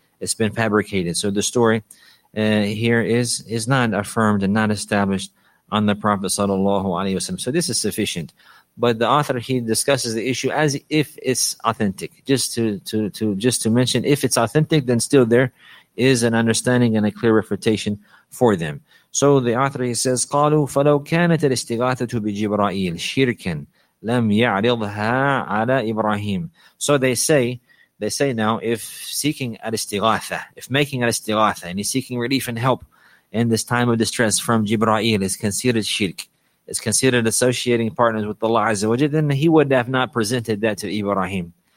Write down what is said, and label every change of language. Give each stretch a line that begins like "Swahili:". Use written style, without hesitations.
English: So the story here is not affirmed and not established on the Prophet sallallahu alaihi wasallam. So this is sufficient. But the author, he discusses the issue as if it's authentic. Just to mention, if it's authentic, then still there is an understanding and a clear refutation for them. So the author, he says,
Arabic: قَالُوا فَلَوْ كَانَتَ الْإِسْتِغَاثَةُ بِجِبْرَائِيلِ شِرْكًا لَمْ يَعْرِضْهَا عَلَى إِبْرَاهِيمِ.
English: So they say now, if seeking al-istighatha, if making al-istighatha, and he's seeking relief and help in this time of distress from Jibra'il is considered shirk, is considered associating partners with Allah Azza wa Jalla, then he would have not presented that to Ibrahim.